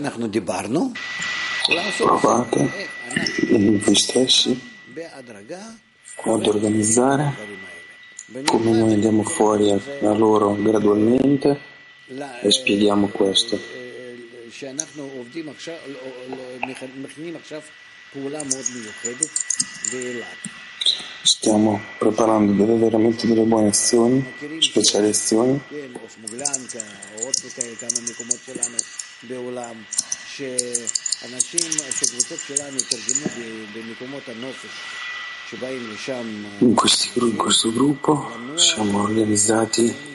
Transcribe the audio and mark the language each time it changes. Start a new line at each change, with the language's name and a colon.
Italian: Provate voi stessi ad organizzare come noi andiamo fuori da loro gradualmente e spieghiamo questo.
Hebrew: שאנחנו עובדים עכשיו, מכינים עכשיו פעולה מאוד מיוחדת באילת.
Italian: Stiamo preparando delle veramente delle buone azioni, speciali azioni.
Hebrew: כן, אוף מוגלנקה, עוד כמה מקומות שלנו בעולם, שאנשים, שקבוצות שלנו תרגמו במקומות הנופש. שבאים לשם.
Italian: In questo gruppo siamo organizzati.